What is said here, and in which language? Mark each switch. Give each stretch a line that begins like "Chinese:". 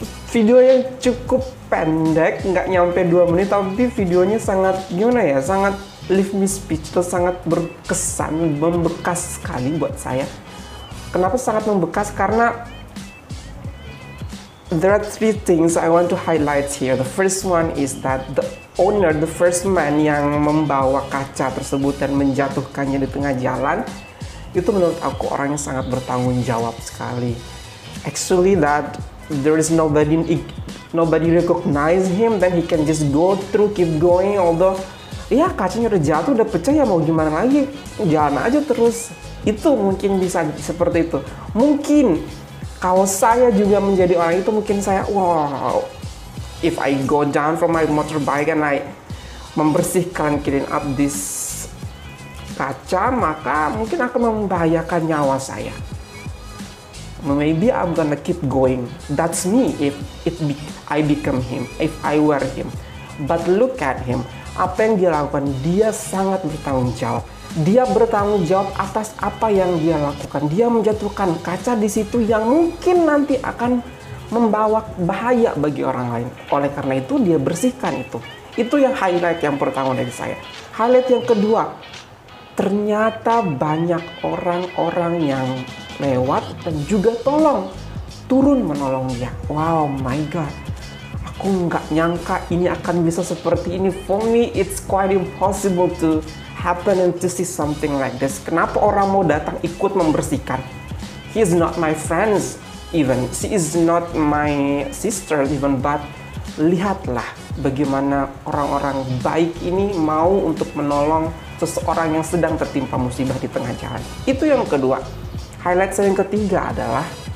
Indonesian: Video yang cukup pendek, nggak nyampe 2 menit, tapi videonya sangat, gimana ya, sangat
English: leave me speechless,
Indonesian: sangat berkesan, membekas sekali buat saya. Kenapa sangat membekas?
English: Karena there are 3 things I want to highlight here. The first one is that the owner, the first man
Indonesian: yang membawa kaca tersebut dan menjatuhkannya di tengah jalan, itu menurut aku orangnya sangat bertanggung jawab sekali.
English: Actually that there is nobody recognize him, then he can just go through, keep going, although
Indonesian: ya kacanya udah jatuh, udah pecah, ya mau gimana lagi, jalan aja terus. Itu mungkin bisa seperti itu. Mungkin kalau saya juga menjadi orang itu, mungkin saya, wow,
English: if I go down from my motorbike and I
Indonesian: membersihkan,
English: clean up this
Indonesian: kaca, maka mungkin akan membahayakan nyawa saya.
English: Maybe I'm gonna keep going. That's me if I become him, if I were him. But look at him,
Indonesian: apa yang dia lakukan, dia sangat bertanggung jawab. Dia bertanggung jawab atas apa yang dia lakukan. Dia menjatuhkan kaca di situ yang mungkin nanti akan membawa bahaya bagi orang lain. Oleh karena itu, dia bersihkan itu. Itu yang highlight yang pertama dari saya. Highlight yang kedua, ternyata banyak orang-orang yang lewat dan juga tolong, turun menolong dia.
English: Wow, my God.
Indonesian: Aku nggak nyangka ini akan bisa seperti ini.
English: For me, it's quite impossible to happen and to see something like this.
Indonesian: Kenapa orang mau datang ikut membersihkan?
English: He is not my friends even. She is not my sister even.
Indonesian: But lihatlah bagaimana orang-orang baik ini mau untuk menolong seseorang yang sedang tertimpa musibah di tengah jalan. Itu yang kedua. Highlight saya yang ketiga adalah